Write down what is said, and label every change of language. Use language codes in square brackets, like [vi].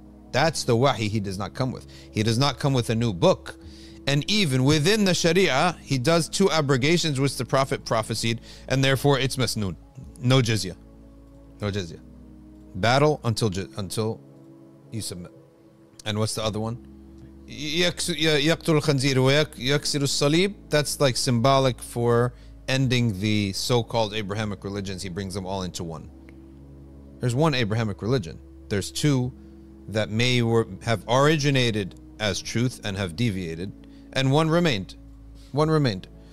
[en] That's the wahi he does not come with. He does not come with a new book. And even within the sharia, he does two abrogations which the Prophet prophesied, and therefore it's masnoon. No jizya. No jizya. Battle until you submit. And what's the other one? [ar] يقتل الخنزير ويكسر الصليب. [en] That's like symbolic for ending the so-called Abrahamic religions. He brings them all into one. There's one Abrahamic religion. There's two that may have originated as truth and have deviated. And one remained. One remained.